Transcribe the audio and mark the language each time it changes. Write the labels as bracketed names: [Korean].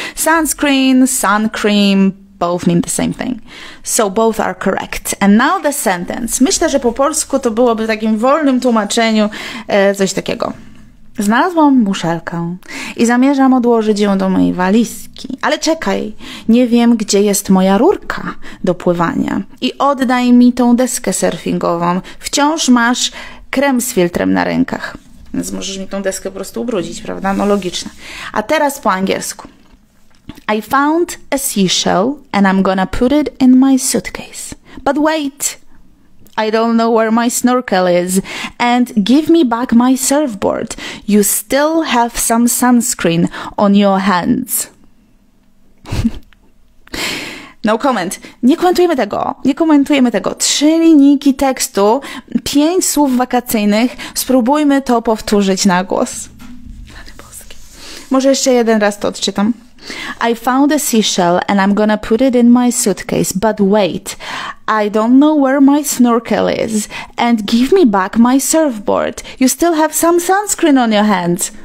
[English] Sunscreen, sun cream, both mean the same thing. So both are correct. And now the sentence. [Polish] Myślę, że po polsku to byłoby w takim wolnym tłumaczeniu coś takiego. Znalazłam muszelkę i zamierzam odłożyć ją do mojej walizki. Ale czekaj, nie wiem, gdzie jest moja rurka do pływania. I oddaj mi tą deskę surfingową. Wciąż masz krem z filtrem na rękach. Więc możesz mi tą deskę po prostu ubrudzić, prawda? No logiczne. A teraz po angielsku. [English] I found a seashell and I'm gonna put it in my suitcase. But wait, I don't know where my snorkel is. And give me back my surfboard. You still have some sunscreen on your hands. No comment. [Polish] Nie komentujemy tego. 3 linijki tekstu, 5 słów wakacyjnych. Spróbujmy to powtórzyć na głos. Może jeszcze jeden raz to odczytam. [English] I found a seashell and I'm gonna put it in my suitcase, but wait, I don't know where my snorkel is, and give me back my surfboard. You still have some sunscreen on your hands.